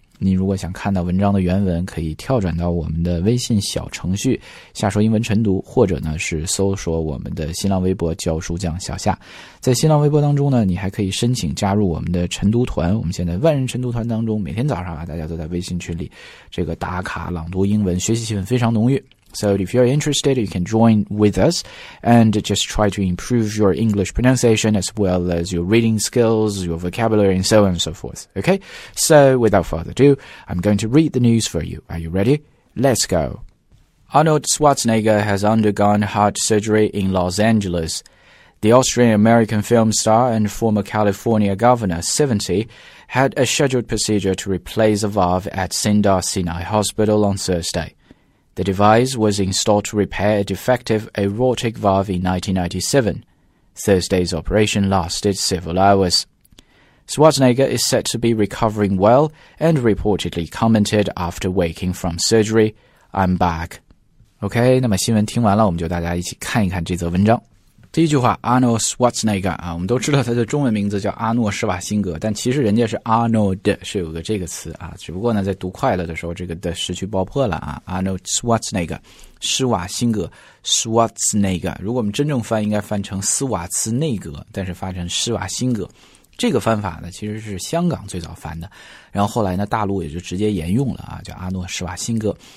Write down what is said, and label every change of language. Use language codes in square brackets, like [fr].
[zh] 你如果想看到文章的原文，可以跳转到我们的微信小程序瞎说英文晨读，或者呢是搜索我们的新浪微博教书匠小夏。在新浪微博当中呢，你还可以申请加入我们的晨读团。我们现在万人晨读团当中，每天早上啊，大家都在微信群里这个打卡朗读英文，学习气氛非常浓郁。 [en] So if you're interested, you can join with us and just try to improve your English pronunciation as well as your reading skills, your vocabulary, and so on and so forth. Okay? So without further ado, I'm going to read the news for you. Are you ready? Let's go. Arnold Schwarzenegger has undergone heart surgery in Los Angeles. The Austrian-American film star and former California governor, 70, had a scheduled procedure to replace a valve at Sinai Hospital on Thursday. The device was installed to repair a defective aortic valve in 1997. Thursday's operation lasted several hours. Schwarzenegger is said to be recovering well and reportedly commented after waking from surgery, I'm back. [zh] OK, 那么新闻听完了，我们就大家一起看一看这则文章。第一句话 Arnold Schwarzenegger 啊，我们都知道他的中文名字叫阿诺施瓦辛格，但其实人家是 Arnold， 是有个这个词啊，只不过呢在读快了的时候这个的失去爆破了啊， Arnold Schwarzenegger 施瓦辛格 Schwarzenegger， 如果我们真正翻应该翻成斯瓦茨内格，但是发成施瓦辛格，这个翻法呢其实是香港最早翻的，然后后来呢大陆也就直接沿用了啊，叫阿诺施瓦辛格。